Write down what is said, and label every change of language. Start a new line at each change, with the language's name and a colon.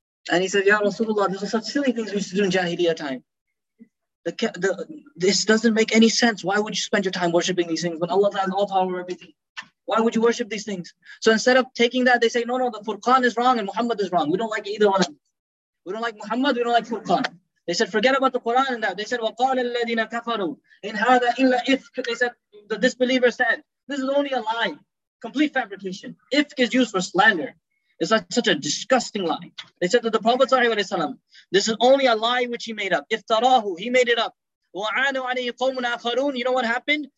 English: And he said, Ya Rasulullah, these are such silly things we used to do in Jahiliyyah time. This doesn't make any sense. Why would you spend your time worshipping these things when Allah has all power over everything? Why would you worship these things? So instead of taking that, they say, no, the Furqan is wrong and Muhammad is wrong. We don't like either one of them. We don't like Muhammad, we don't like Furqan. They said, forget about the Quran and that. They said,
Arabic: وَقَالَ الَّذِينَ كَفَرُوا إِنْ هَذَا إِلَّا إِفْكَ.
English: They said, the disbeliever said, this is only a lie, complete fabrication. Ifk is used for slander. It's like such a disgusting lie. They said to the Prophet Sallallahu Alaihi Wasallam, this is only a lie which he made up. Iftarahu, he made it up. You know what happened?